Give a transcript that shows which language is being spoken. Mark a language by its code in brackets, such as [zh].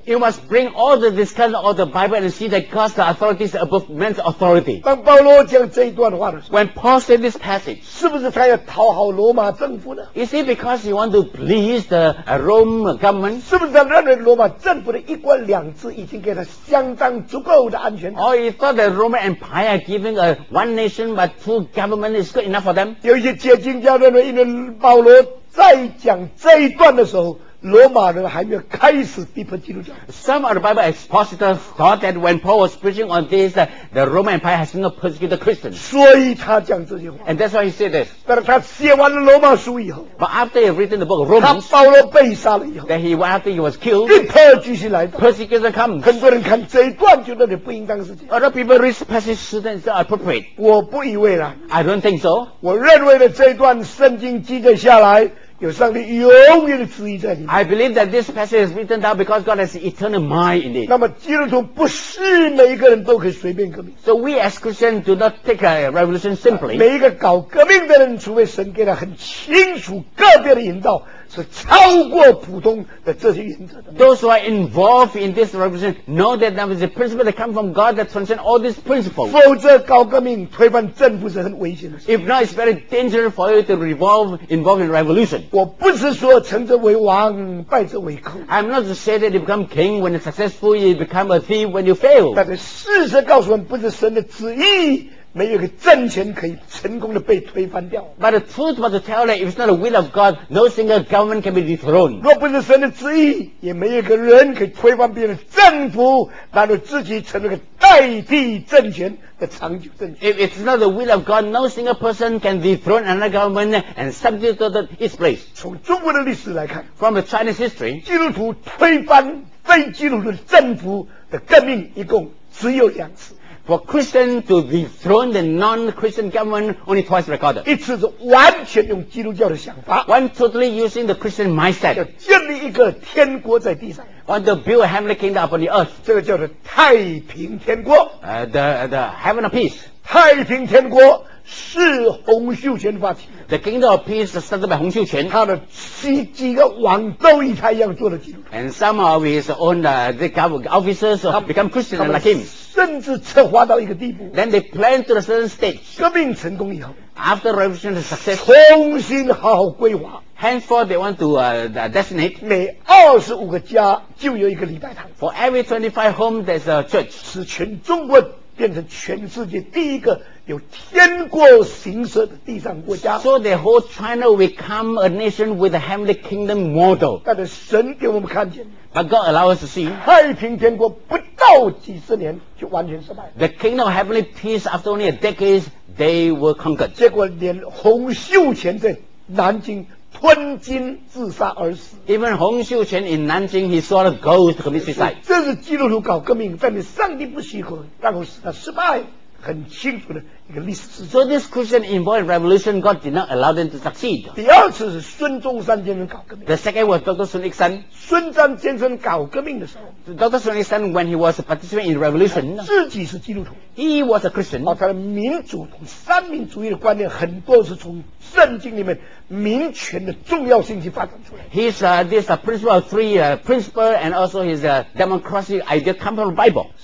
[en] You must bring all the discussion of the Bible and see that God's authority is above man's authority. [zh] 当保罗讲这一段话的时候 [en] ，When Paul said this passage， [zh] 是不是他要讨好罗马政府呢 [en] ？Is it because he want to please the Rome government？ [zh] 是不是他认为罗马政府的一官两制已经给他相当足够的安全感 [en] ？Or he thought the Roman Empire giving a one nation but two government is good enough for them？ [zh] 有一些解经家认为，因为保罗在讲这一段的时候。罗马人还没有开始逼迫基督教。 [en] Some of the Bible expositors thought that when Paul was preaching on this, the Roman Empire has not persecuted Christians. [zh] 所以他讲这些话。 [en] And that's why he said this. [zh] 但是他写完了罗马书以后。 [en] But after he written the book of Romans. [zh] 他保罗被杀了以后。 [en] That he after he was killed. [zh] 逼迫继续来到。 [en] Persecution comes. [zh] 很多人看这一段觉得你不应当事情。 [en] Other people read passage and say appropriate. [zh] 我不以为然。 [en] I don't think so. [zh] 我认为的这一段圣经记载下来。有上帝永远的旨意在里面。 [en] I believe that this passage is written down because God has eternal mind in it. [zh] 那么基督徒不是每一个人都可以随便革命。 [en] So we as Christians do not take a revolution simply. [zh] 每一个搞革命的人，除非神给他很清楚个别的引导，是超过普通的这些原则的。 [en] Those who are involved in this revolution know that that was a principle that come from God that transcends all these principles. [zh] 否则搞革命推翻政府是很危险的事。 [en] If not, it's very dangerous for you to involve in revolution. [zh] 我不是说成者为王，败者为寇。 [en] I'm not to say that you become king when you're successful, you become a thief when you fail. [zh] 但是事实告诉我们，不是神的旨意，没有个政权可以成功的被推翻掉。 [en] But the truth was to tell that if it's not the will of God, no single government can be dethroned. [zh] 若不是神的旨意，也没有个人可以推翻别人的政府，把你自己成了个代替政权。 [en] If it's not the will of God, no single person can dethrone another government and substitute its place. [zh] 从中国的历史来看 [en] ，from the Chinese history， [zh] 基督徒推翻非基督徒政府的革命一共只有两次。 [en] For Christians to dethrone the non-Christian government, only twice recorded. [zh] 一次是完全用基督教的想法 [en] ，one totally using the Christian mindset. [zh] 要建立一个天国在地上。 [en] Want to build a heavenly kingdom upon the earth. [zh] 这个叫做太平天国。 [en] The heaven of peace. [zh] 太平天国是洪秀全发起。 [en] The kingdom of peace is started by 洪秀全。 [zh] 他的几个王都以他一样做了基督。 [en] And some of his own the government officers become Christian like him. [zh] 甚至策划到一个地步。 [en] Then they plan to a certain stage. [zh] 革命成功以后。 [en] After revolution is successful. [zh] 重新好好规划。 [en] Henceforth, they want to designate. [zh] 每二十五个家就有一个礼拜堂。 [en] For every 25 homes, there's a church. [zh] 使全中国变成全世界第一个有天国形式的地上国家。 [en] So the whole China will become a nation with a heavenly kingdom model. [zh] 但是神给我们看见。 [en] But God allow us to see. [zh] 太平天国不到几十年就完全失败。 [en] The kingdom of heavenly peace after only a decade, they were conquered. [zh] 结果连洪秀全在南京。吞金自杀而死。 [en] Even 洪秀全 in 南京 he saw a ghost commit suicide. [zh] 这是基督徒搞革命，但是上帝不许可，然后使他失败，很清楚的一个历史事实。 [en] So this Christian involved in revolution, God did not allow them to succeed. [zh] 第二次是孙中山先生搞革命。 [en] The second was Dr. Sun Yat-sen. [zh] 孙中山先生搞革命的时候 [en] ，Dr. Sun Yat-sen when he was participating in revolution, [zh] 自己是基督徒。 [en] He was a Christian. [zh] 他的民主和三民主义的观念很多是从圣经里面。民权的重要性去发展出来。 [en] His this principle of three principle and also his democracy idea come from the Bible.